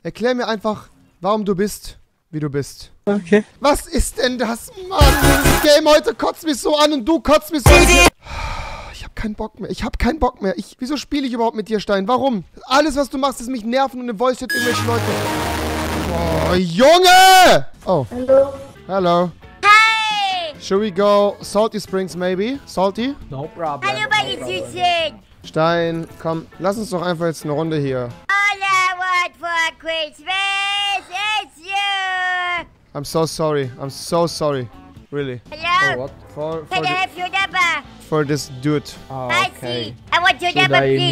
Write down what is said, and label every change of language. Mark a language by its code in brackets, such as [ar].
[de] Erklär mir einfach, warum du bist, wie du bist. Okay. Was ist denn das, Mann? Dieses Game heute kotzt mich so an und du kotzt mich so an. Ich hab keinen Bock mehr. Wieso spiele ich überhaupt mit dir, Stein? Warum? Alles, was du machst, ist mich nerven und eine Voice Chat irgendwelche Leute. Oh, Junge! Oh. Hallo. Hallo. [en] Should we go Salty Springs, maybe? Salty? No problem. [de] Hallo, meine Süßchen. Stein, komm, lass uns doch einfach jetzt eine Runde hier. [en] All I want for Christmas is you. I'm so sorry. I'm so sorry. Really. Hello? Oh, what? Can I have your number? For this dude. Oh, okay. I see. I want your number, please.